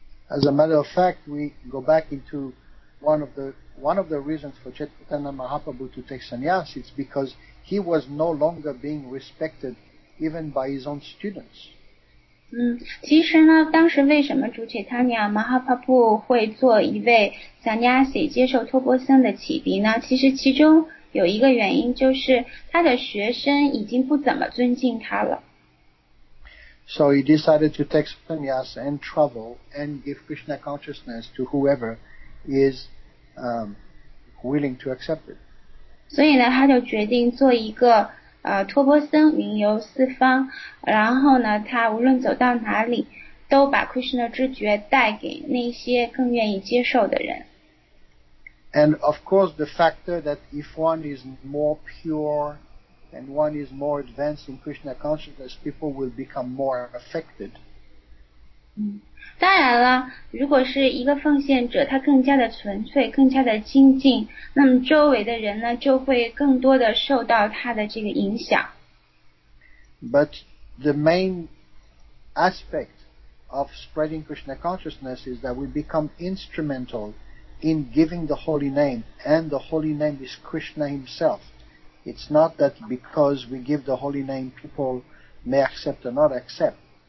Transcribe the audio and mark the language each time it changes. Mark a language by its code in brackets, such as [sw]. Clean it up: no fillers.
[en] As a matter of fact, we go back into one of the reasons for Chaitanya Mahaprabhu to take sannyas is becauseHe was no longer being respected even by his own students. [zh] 其实呢，当时为什么主切塔尼亚马哈帕布会做一位 sannyasi 接受托钵僧的启迪呢？其实其中有一个原因就是他的学生已经不怎么尊敬他了。 [en] So he decided to take sannyas and travel and give Krishna consciousness to whoever is willing to accept it. [zh] 所以呢，他就决定做一个托钵僧，云游四方。然后呢，他无论走到哪里，都把 Krishna 知觉带给那些更愿意接受的人。 [en] And of course, the factor that if one is more pure and one is more advanced in Krishna consciousness, people will become more affected. [zh] 当然了，如果是一个奉献者，他更加的纯粹，更加的精进，那么周围的人呢，就会更多的受到他的这个影响。 [en] But the main aspect of spreading Krishna consciousness is that we become instrumental in giving the holy name, and the holy name is Krishna himself. It's not that because we give the holy name, people may accept or not accept.